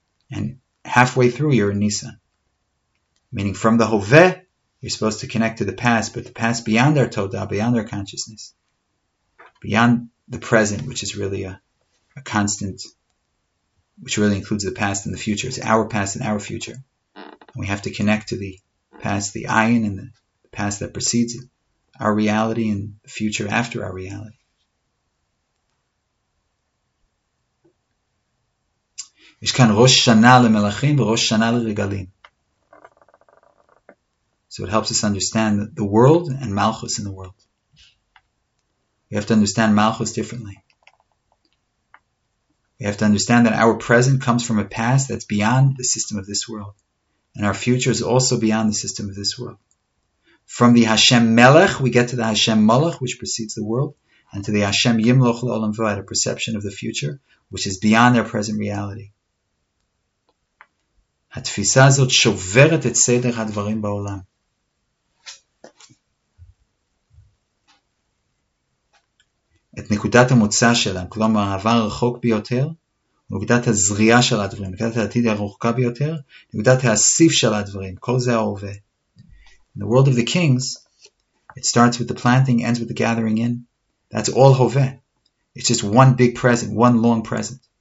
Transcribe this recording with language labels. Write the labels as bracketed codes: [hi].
[en] And halfway through, you're in Nisan. Meaning from the Hoveh, you're supposed to connect to the past, but the past beyond our Todah, beyond our consciousness, beyond the present, which is really a constant, which really includes the past and the future. It's our past and our future. And we have to connect to the past, the Ayin, and the past that precedes it, our reality and the future after our reality. [he] יש כאן ראש שנה למלאכים וראש שנה לרגלים. [en] So it helps us understand the world and Malchus in the world. We have to understand Malchus differently. We have to understand that our present comes from a past that's beyond the system of this world. And our future is also beyond the system of this world. From the Hashem Melech, we get to the Hashem Malach, which precedes the world, and to the Hashem Yimloch L'Olam V'ad, a perception of the future, which is beyond our present reality. [he] התפיסה הזאת שוברת את סדר הדברים בעולם. את נקודת המוצא שלה, כלומר העבר הרחוק ביותר, נקודת הזריעה של הדברים, נקודת העתיד הרחוקה ביותר, נקודת האסיף של הדברים, כל זה ההווה. [en] In the world of the kings, it starts with the planting, ends with the gathering in. That's all הווה. It's just one big present, one long present.